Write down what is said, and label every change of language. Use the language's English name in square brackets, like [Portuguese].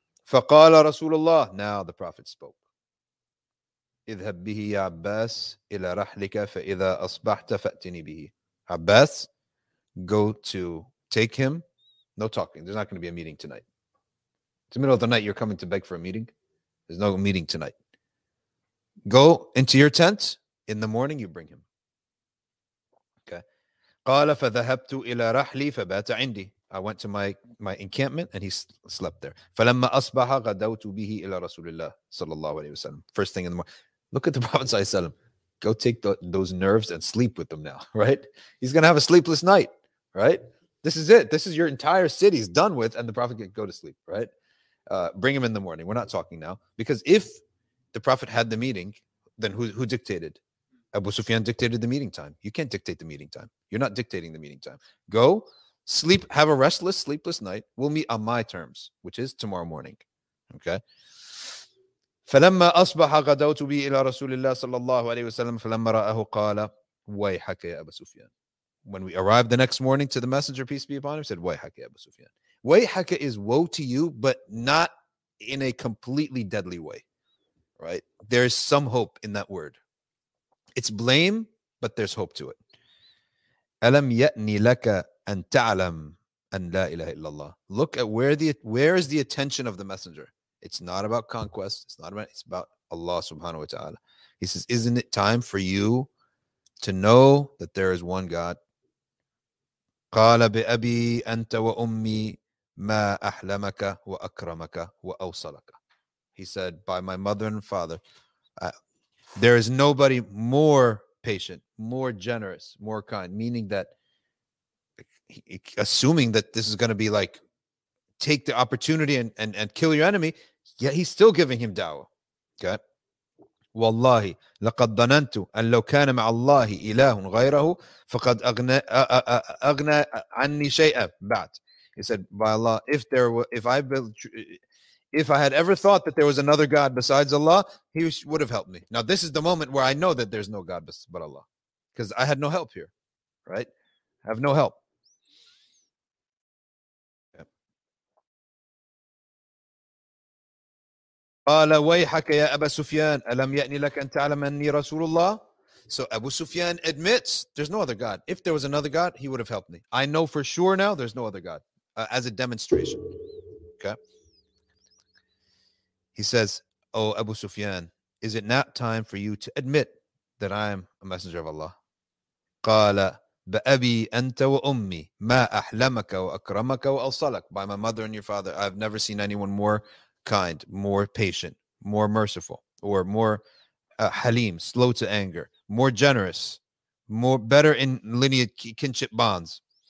[Arabic] فَقَالَ رَسُولُ اللَّهِ. [English] Now the Prophet spoke. [Arabic] اذهب به يا عباس الى رحلك فاذا اصبحت فاتني به. [English] Abbas, go to take him. No talking. There's not going to be a meeting tonight. It's the middle of the night. You're coming to beg for a meeting. There's no meeting tonight. Go into your tent. In the morning, you bring him. Okay. [Arabic] قال فذهبت الى رحلي فبات عندي. [English] I went to my encampment and he slept there. [Arabic] فلما اصبح غدوت به الى رسول الله صلى الله عليه وسلم. [English] First thing in the morning. Look at the Prophet ﷺ. Go take those nerves and sleep with them now, right? He's going to have a sleepless night, right? This is it. This is your entire city is done with, and the Prophet can go to sleep, right? Bring him in the morning. We're not talking now. Because if the Prophet had the meeting, then who dictated? Abu Sufyan dictated the meeting time. You can't dictate the meeting time. You're not dictating the meeting time. Go sleep. Have a restless, sleepless night. We'll meet on my terms, which is tomorrow morning, okay? [Arabic] فلما أصبح غدوت بي إلى رسول الله صلى الله عليه وسلم فلما رآه قال ويحك يا أبا سفيان. [English] When we arrived the next morning to the Messenger, peace be upon him, said [Arabic] ويحك يا أبا سفيان. [English] ويحك is woe to you, but not in a completely deadly way, right? There is some hope in that word. It's blame, but there's hope to it. [Arabic] ألم يأني لك أن تعلم أن لا إله إلا الله. [English] Look at where is the attention of the Messenger. It's not about conquest. It's about Allah subhanahu wa ta'ala. He says, isn't it time for you to know that there is one God? [Arabic] قَالَ بِأَبِي أَنْتَ وَأُمِّي مَا أَحْلَمَكَ وَأَكْرَمَكَ وَأَوْصَلَكَ. [English] He said, by my mother and father, there is nobody more patient, more generous, more kind, meaning that assuming that this is going to be like, take the opportunity and kill your enemy, yet he's still giving him da'wah. Okay. [Arabic] Wallahi, لقد ظننت أن لو كان مع الله إله غيره فقد أغنى عني شيئا بعد. [English] He said, by Allah, if I had ever thought that there was another God besides Allah, he would have helped me. Now, this is the moment where I know that there's no God but Allah, because I had no help here, right? I have no help. [Arabic] قال ويحك يا أبا سفيان ألم يأني لك أن تعلم أني رسول الله. [English] So Abu Sufyan admits there's no other God. If there was another God, he would have helped me. I know for sure now there's no other God, as a demonstration. Okay. He says, oh Abu Sufyan, is it not time for you to admit that I am a messenger of Allah? [Arabic] قال بأبي أنت وأمي ما أحلمك وأكرمك وأوصلك. [English] By my mother and your father, I've never seen anyone more kind, more patient, more merciful, or more halim, slow to anger, more generous, more better in lineage kinship bonds.